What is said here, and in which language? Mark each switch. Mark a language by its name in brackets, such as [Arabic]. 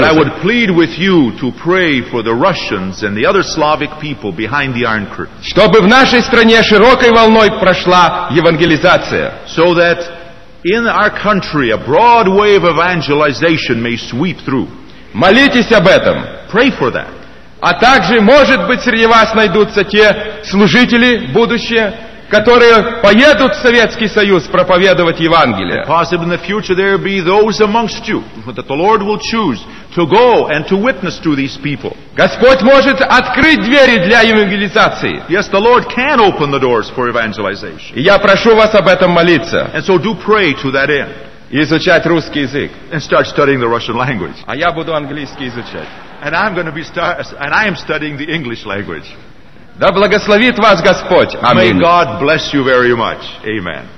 [English] But I would plead with you to pray for the Russians and the other Slavic people behind the Iron Curtain. [Russian] Чтобы в нашей стране широкой волной прошла евангелизация. [English] So that in our country a broad wave of evangelization may sweep through. [Russian] Молитесь об этом. [English] Pray for that. [Russian] А также, может быть, среди вас найдутся те служители будущие, которые поедут в Советский Союз проповедовать Евангелие. [English] Possibly in the future there be those amongst you that the Lord will choose to go and to witness to these people. [Russian] Господь может открыть двери для евангелизации. [English] Yes, the Lord can open the doors for evangelization. [Russian] И я прошу вас об этом молиться. [English] And so do pray to that end. [Russian] И изучать русский язык. [English] And start studying the Russian language. [Russian] А я буду английский изучать. [English] And I'm going to be and I am studying the English language. [Russian] Да благословит вас Господь. Аминь. [English] May God bless you very much. Amen.